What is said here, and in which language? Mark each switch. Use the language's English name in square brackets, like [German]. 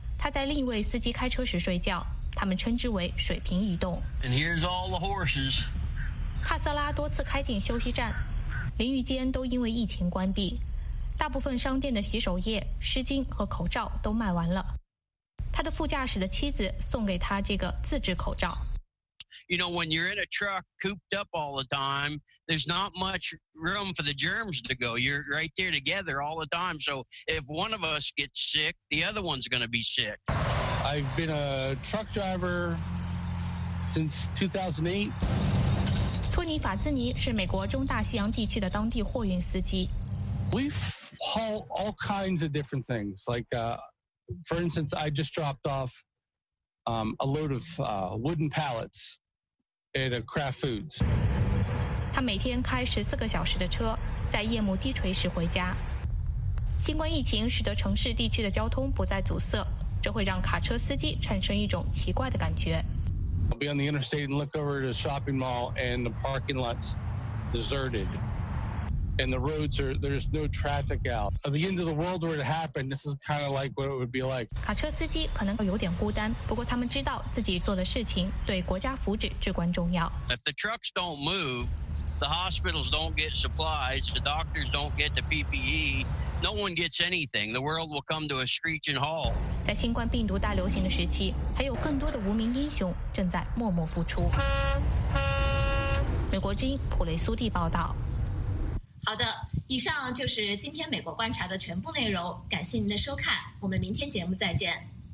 [Chinese] 他在另一位司机开车时睡觉，他们称之为水平移动。 [English] And here's all the horses. [Chinese] 帕瑟拉多次开进休息站，淋浴间都因为疫情关闭，大部分商店的洗手液、湿巾和口罩都卖完了。他的副驾驶的妻子送给他这个自制口罩。 [English] You know, when you're in a truck cooped up all the time, there's not much room for the germs to go. You're right there together all the time. So if one of us gets sick, the other one's going to be sick. I've been a truck driver since 2008. [Chinese] 托尼·法兹尼是美国中大西洋地区的当地货运司机。 [English] We've hauled all kinds of different things. Like, for instance, I just dropped off a load of wooden pallets. At a Kraft Foods. [Chinese] 他每天开14个小时的车，在夜幕低垂时回家。新冠疫情使得城市地区的交通不再阻塞，这会让卡车司机产生一种奇怪的感觉。 [English] I'll be on the interstate and look over to the shopping mall and the parking lot's deserted. And the roads are, there's no traffic out. At the end of the world were to happen, this is kind of like what it would be like. [Chinese] 卡车司机可能有点孤单，不过他们知道自己做的事情对国家福祉至关重要。 [English] If the trucks don't move, the hospitals don't get supplies, the doctors don't get the PPE, no one gets anything. The world will come to a screeching halt. [Chinese] 在新冠病毒大流行的时期，还有更多的无名英雄正在默默付出。美国之音普雷苏蒂报道。好的，以上就是今天美国观察的全部内容，感谢您的收看，我们明天节目再见。